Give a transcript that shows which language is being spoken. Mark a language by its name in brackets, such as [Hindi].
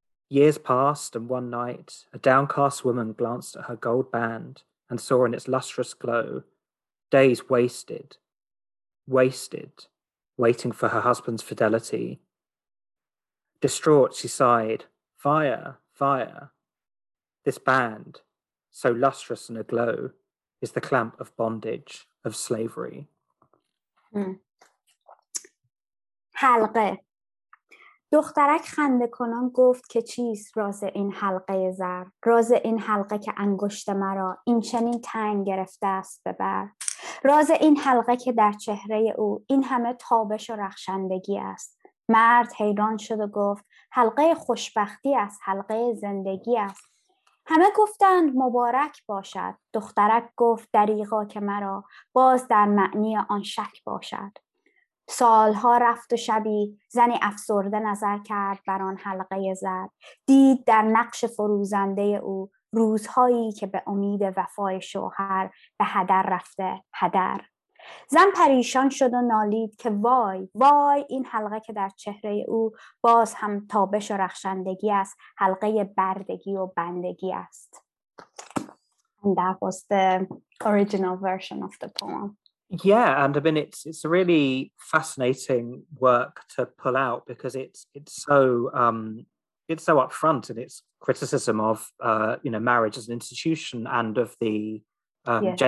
[English] Years passed, and one night, a downcast woman glanced at her gold band and saw in its lustrous glow, days wasted, wasted, waiting for her husband's fidelity. Distraught, she sighed, "Fire, fire." This band, so lustrous and aglow, is the clamp of bondage, of slavery. [Persian] حلقه. دخترک خنده کنان گفت که چیست راز این حلقه زر؟ راز این حلقه که انگشت مرا این چنین تنگ گرفته است ببر. راز این حلقه که در چهره او این همه تابش و رخشندگی است. مرد حیران شد و گفت حلقه خوشبختی است، حلقه زندگی است. همه گفتند مبارک باشد. دخترک گفت دریغا که مرا باز در معنی آن شک باشد. سالها رفت و شبی زنی افسرده نظر کرد بر آن حلقه زر. دید در نقش فروزنده او روزهایی که به امید وفای شوهر به هدر رفته، هدر. زن پریشان شد و نالید که وای وای، این حلقه که در چهره او باز هم تابش و رخشندگی است، حلقه بردگی و بندگی است. [English] And that was the original version of the poem. Yeah, and I mean it's a really fascinating work to pull out because it's so upfront in its criticism of you know, marriage as an institution and of the yes.